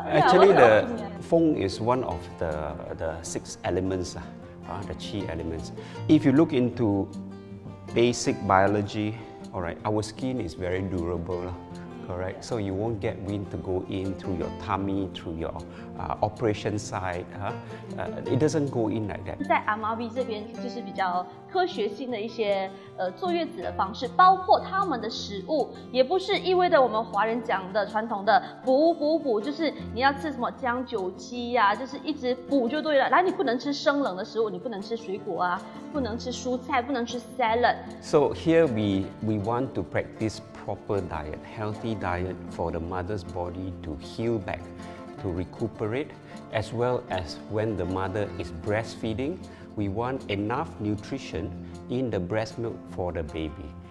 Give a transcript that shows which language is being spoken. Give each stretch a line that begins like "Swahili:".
English: Actually, the 风 is one of the six elements, the qi elements. If you look into basic biology, all right, our skin is very durable, correct? So you won't get wind to go in through your tummy, through your operation side, it doesn't go in like that.
Chinese: 在 MRV 这边就是比较科学性的一些坐月子的方式，包括他们的食物，也不是意味着我们华人讲的传统的补补补，就是你要吃什么姜酒鸡啊，就是一直补就对了。来，你不能吃生冷的食物，你不能吃水果啊，不能吃蔬菜，不能吃 salad。
English: So here we want to practice proper diet, healthy diet for the mother's body to heal back, to recuperate, as well as when the mother is breastfeeding. We want enough nutrition in the breast milk for the baby.